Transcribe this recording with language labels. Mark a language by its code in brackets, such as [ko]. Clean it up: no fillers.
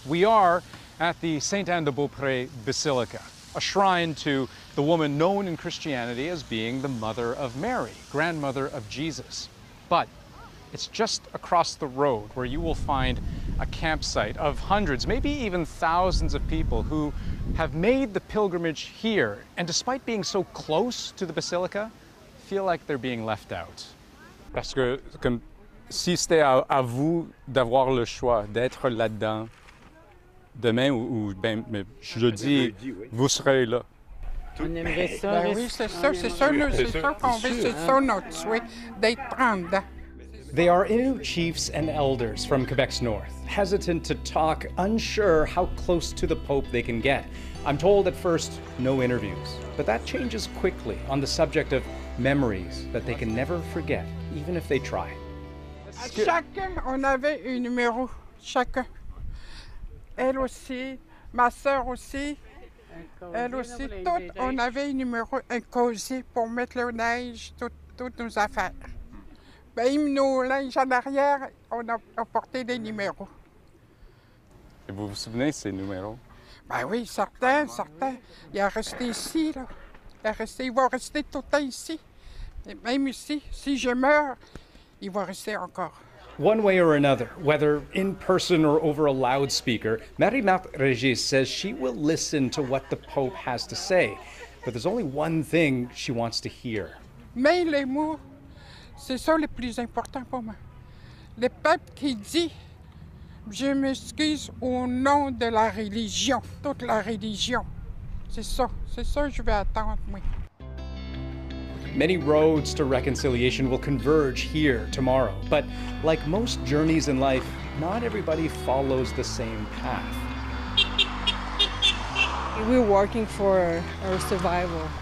[en] We are at the Saint-Anne-de-Beaupré Basilica, a shrine to the woman known in Christianity as being the Mother of Mary, grandmother of Jesus. But it's just across the road where you will find a campsite of hundreds, maybe even thousands of people who have made the pilgrimage here, and despite being so close to the basilica, feel like they're being left out. [fr] Parce que comme si c'était à vous d'avoir le choix d'être là-dedans demain ou ben jeudi, vous serez là. On aimerait ça. Ben oui, c'est sûr qu'on veut d'être là. [en] They are Innu chiefs and elders from Quebec's north, hesitant to talk, unsure how close to the Pope they can get. I'm told at first, no interviews. But that changes quickly on the subject of memories that they can never forget, even if they try. [fr] Chacun, on avait un numéro, chacun. Elle aussi, ma sœur aussi, elle aussi, toutes, on avait un numéro, un cosy pour mettre le neige, toutes nos affaires. Même nos linges en arrière, on a porté des numéros. Et vous vous souvenez de ces numéros? Ben oui, certains. Il est resté ici, là. Il va rester tout le temps ici. Et même ici, si je meurs, il va rester encore. [en] One way or another, whether in person or over a loudspeaker, Marie-Marthe Régis says she will listen to what the Pope has to say. But there's only one thing she wants to hear. [fr] Mais les mots, c'est ça le plus important pour moi. Le peuple qui dit, je m'excuse au nom de la religion, toute la religion. C'est ça que je vais attendre, oui. [en] Many roads to reconciliation will converge here tomorrow, but like most journeys in life, not everybody follows the same path. We're working for our survival.